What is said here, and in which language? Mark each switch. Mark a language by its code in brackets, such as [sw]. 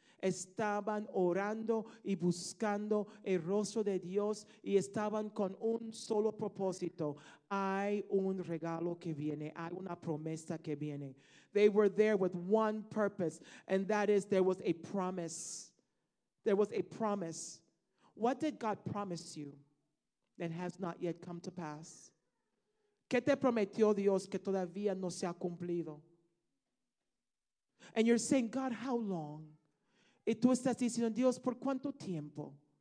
[es] estaban orando y buscando el rostro de Dios y estaban con un solo propósito. Hay un regalo que viene, hay una promesa que viene. [en] They were there with one purpose, and that is there was a promise. There was a promise. What did God promise you that has not yet come to pass? [es] ¿Qué te prometió Dios que todavía no se ha cumplido? [en] And you're saying, God, how long? [es] Y tú estás diciendo, Dios, ¿por cuánto tiempo?